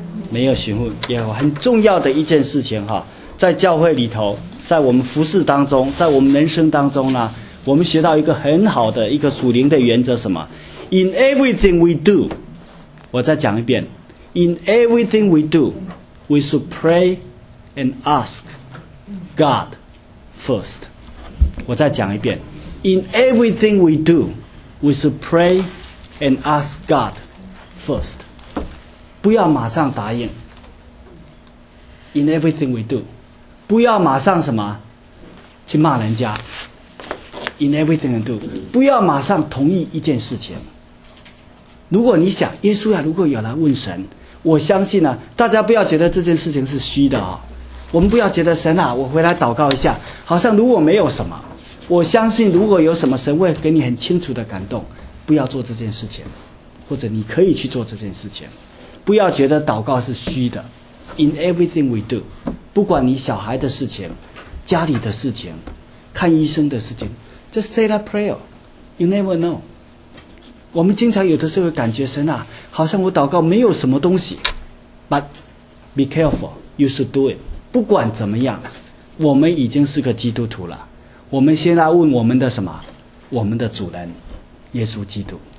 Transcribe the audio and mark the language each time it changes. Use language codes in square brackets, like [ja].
[zh] 没有询问耶和华，很重要的一件事情哈，在教会里头，在我们服事当中，在我们人生当中呢，我们学到一个很好的一个属灵的原则，什么 ？ [en] In everything we do， [zh] 我再讲一遍 ， [en] In everything we do， we should pray and ask God first。 [zh] 我再讲一遍 [en] ，In everything we do， we should pray and ask God first。 [zh] 不要马上答应。 [en] In everything we do， [zh] 不要马上什么去骂人家。 [en] In everything we do， [zh] 不要马上同意一件事情。如果你想耶稣啊，如果有来问神，我相信呢、啊，大家不要觉得这件事情是虚的啊、哦。我们不要觉得神啊，我回来祷告一下，好像如果没有什么，我相信如果有什么，神会给你很清楚的感动。不要做这件事情，或者你可以去做这件事情。不要觉得祷告是虚的。 [en] In everything we do， [zh] 不管你小孩的事情、家里的事情、看医生的事情， [en] Just say that prayer， You never know。 [zh] 我们经常有的时候感觉神啊，好像我祷告没有什么东西， [en] But be careful， You should do it。 [zh] 不管怎么样，我们已经是个基督徒了，我们先来问我们的什么？我们的主人耶稣基督。